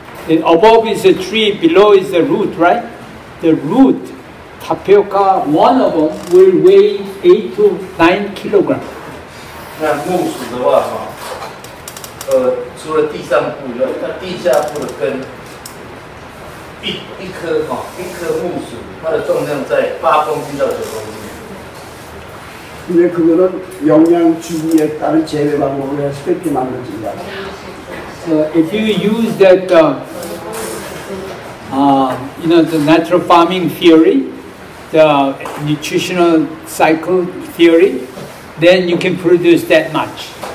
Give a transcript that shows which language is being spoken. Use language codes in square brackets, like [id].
[en] And above is a tree, below is the root, right? The root, tapioca, one of them will weigh 8 to 9 kilograms. [zh] 那木薯的话，除了地上部，那地下部的根，一颗木薯，它的重量在8公斤到9公斤。 [ko] 근데 그거는 영양 주기에 따른 재배 방법을 해서 그렇게 만들어진다. [en] So if you use that, you know, the natural farming theory, the nutritional cycle theory, then you can produce that much.